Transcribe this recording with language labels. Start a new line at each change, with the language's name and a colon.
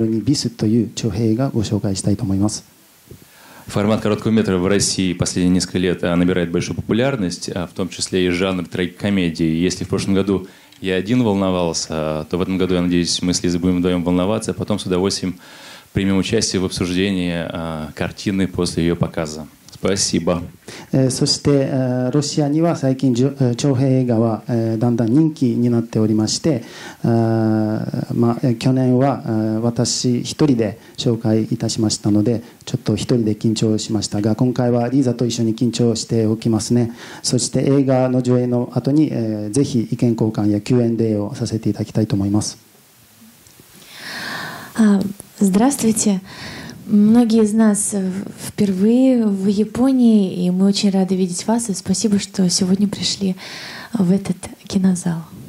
Japanese: そして、こんばんは。私としては、もう今回は2回目で日本に参りました。素晴らしい国ですので幸せだと思っております。そして、去年はジョジョという映画をご紹介させていただきましたけれども、今回はリーザと一緒に302ビスという長編映画ご紹介したいと思います。
Russian: Формат короткометра в России последние несколько лет набирает большую популярность, в том числе и жанр трагикомедии. Если в прошлом году я один волновался, то в этом году, я надеюсь, мы с Лизой будем вдвоем волноваться, а потом с удовольствием примем участие в обсуждении картины после ее показа. Спасибо.
Japanese: そして、ロシアには最近長編映画はだんだん人気になっておりまして、去年は私一人で紹介いたしましたので、ちょっと一人で緊張しましたが、今回はリーザと一緒に緊張しておきますね。そして映画の上映の後に、ぜひ意見交換や Q&Aを させていただきたいと思います。
Russian: Здравствуйте. Многие из нас впервые в Японии, и мы очень рады видеть вас, и спасибо, что сегодня пришли в этот кинозал.